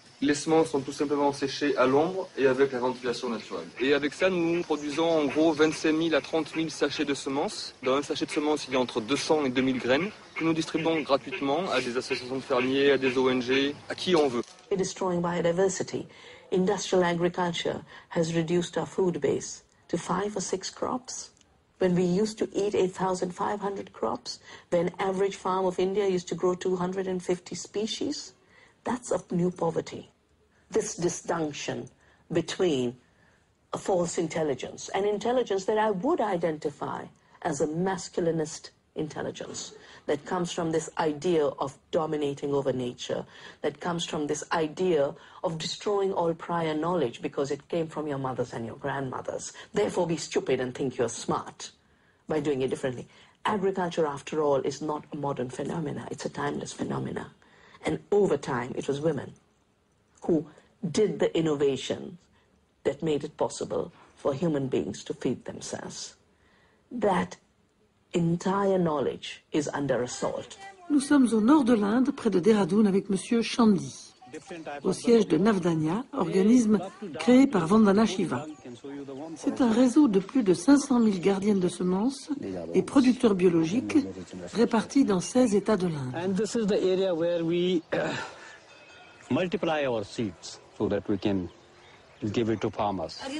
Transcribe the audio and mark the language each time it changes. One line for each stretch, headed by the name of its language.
French: Les semences sont tout simplement séchées à l'ombre et avec la ventilation naturelle. Et avec ça, nous produisons en gros 25 000 à 30 000 sachets de semences. Dans un sachet de semences, il y a entre 200 et 2000 graines que nous distribuons gratuitement à des associations de fermiers, à des ONG, à qui on veut.
English: We're destroying biodiversity. Industrial agriculture has reduced our food base to 5 or 6 crops. When we used to eat 8,500 crops, the average farm of India used to grow 250 species. That's a new poverty. This disjunction between a false intelligence, an intelligence that I would identify as a masculinist intelligence, that comes from this idea of dominating over nature, that comes from this idea of destroying all prior knowledge because it came from your mothers and your grandmothers. Therefore, be stupid and think you're smart by doing it differently. Agriculture, after all, is not a modern phenomena. It's a timeless phenomena. And over time, it was women who did the innovation that made it possible for human beings to feed themselves. That entire knowledge is under assault.
French: Nous sommes au nord de l'Inde, près de Dehradun, avec Monsieur Chandi, au siège de Navdanya, organisme créé par Vandana Shiva. C'est un réseau de plus de 500 000 gardiennes de semences et producteurs biologiques répartis dans 16 états de l'Inde.
English: And this is the area where we multiply our seeds so that we can give it to farmers.